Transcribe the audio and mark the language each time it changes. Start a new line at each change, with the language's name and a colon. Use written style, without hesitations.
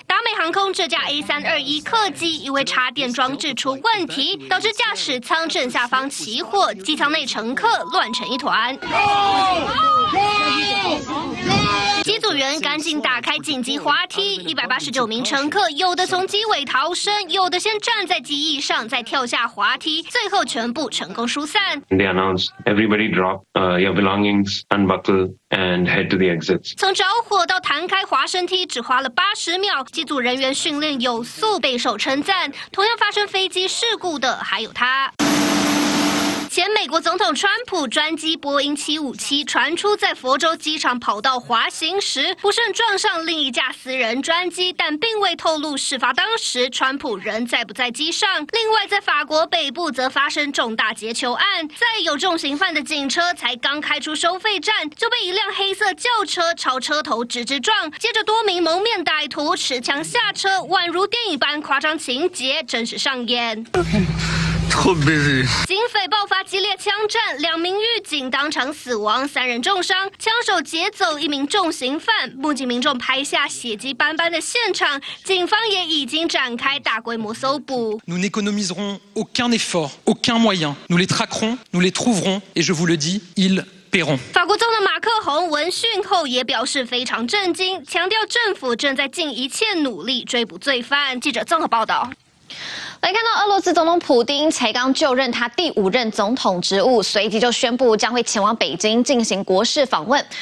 Chinese: 达美航空这架 A321 客机因为插电装置出问题，导致驾驶舱正下方起火，机舱内乘客乱成一团。机组员赶紧打开紧急滑梯，189名乘客有的从机尾逃生，有的先站在机翼上再跳下滑梯，最后全部成功疏散。
English: They announced everybody drop your belongings, unbuckle and head to the exits.
Chinese: 从着火到弹开滑升梯只花了80秒，机组人员训练有素，备受称赞。同样发生飞机事故的还有他。前美国总统川普专机波音757传出在佛州机场跑道滑行时不慎撞上另一架私人专机，但并未透露事发当时川普人在不在机上。另外在法国北部则发生重大劫囚案，载有重刑犯的警车才刚开出收费站就被一辆黑色轿车朝车头直直撞，接着多名蒙面歹徒持枪下车，宛如电影般夸张情节真实上演。警匪爆发激烈枪战，两名狱警当场死亡，三人重伤，枪手劫走一名重刑犯，目击民众拍下血迹斑斑的现场，警方也已经展开大规模搜捕。
French: Nous n'économiserons aucun effort, aucun moyen. Nous les traquerons, nous les trouverons, et je vous le dis, ils paieront.
Chinese: 法国总统马克宏闻讯后也表示非常震惊，强调政府正在尽一切努力追捕罪犯。记者综合报道。来看到俄罗斯总统普丁才刚就任他第五任总统职务，随即就宣布将会前往北京进行国事访问。